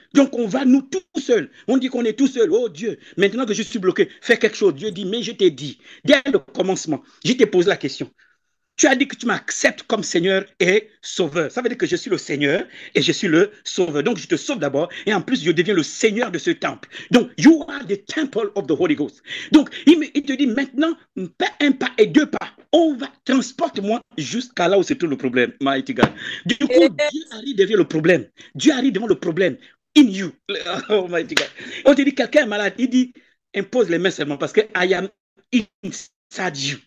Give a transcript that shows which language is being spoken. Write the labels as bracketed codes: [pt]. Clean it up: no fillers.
[fr] Donc, on va nous tout seul. On dit qu'on est tout seul. Oh Dieu, maintenant que je suis bloqué, fais quelque chose. Dieu dit, mais je t'ai dit, dès le commencement, je t'ai posé la question. Tu as dit que tu m'acceptes comme Seigneur et Sauveur. Ça veut dire que je suis le Seigneur et je suis le Sauveur. Donc, je te sauve d'abord et en plus, je deviens le Seigneur de ce temple. Donc, [en] you are the temple of the Holy Ghost. [fr] Donc, il te dit, maintenant, un pas et deux pas. On va, transporte-moi jusqu'à là où se trouve le problème, [en] mighty God. [fr] Du coup, [en] yes. [fr] Dieu arrive devant le problème. Dieu arrive devant le problème, [en] in you, oh mighty God. [fr] On te dit, quelqu'un est malade, il dit, impose les mains seulement, parce que [en] I am inside you.